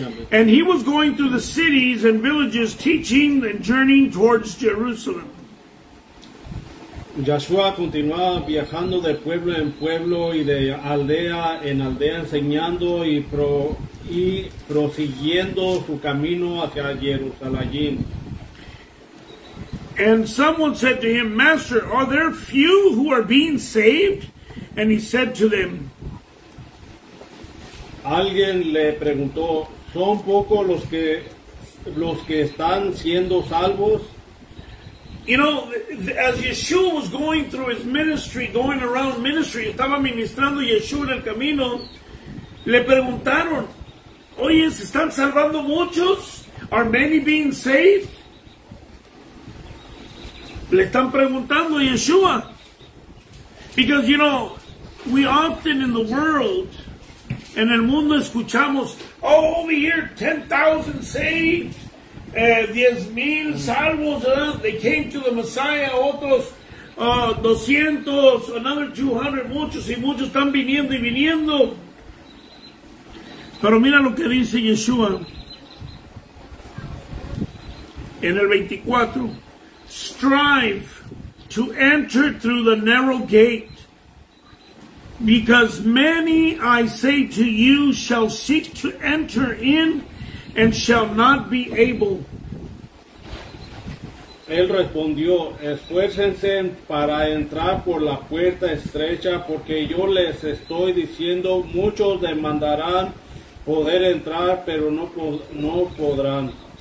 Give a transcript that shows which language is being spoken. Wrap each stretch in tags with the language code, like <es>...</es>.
<en>And he was going through the cities and villages, teaching and journeying towards Jerusalem.</en> <es>Yahshua continuaba viajando de pueblo en pueblo y de aldea en aldea, enseñando y prosiguiendo su camino hacia Jerusalén.</es> <en>And someone said to him, Master, are there few who are being saved? And he said to them,</en> <es>alguien le preguntó, ¿son pocos los que están siendo salvos?</es> <en>You know, as Yeshua was going through his ministry, going around ministry,</en> <es>estaba ministrando Yeshua en el camino, le preguntaron, oye, ¿se están salvando muchos?</es> <en>Are many being saved?</en> <es>Le están preguntando a Yeshua.</es> <en>Because, you know, we often in the world,</en> <es>en el mundo escuchamos,</es> <en>oh, over here, 10,000 saved.</en> <es>10,000 salvos,</es> <en>they came to the Messiah,</en> <es>otros 200,</es> <en>another 200,</en> <es>muchos y muchos están viniendo y viniendo. Pero mira lo que dice Yeshua en el 24.</es> <en>Strive to enter through the narrow gate, because many, I say to you, shall seek to enter in and shall not be able.</en> <es>Él respondió, esfuércense para entrar por la puerta estrecha, porque yo les estoy diciendo, muchos demandarán poder entrar, pero no podrán.</es>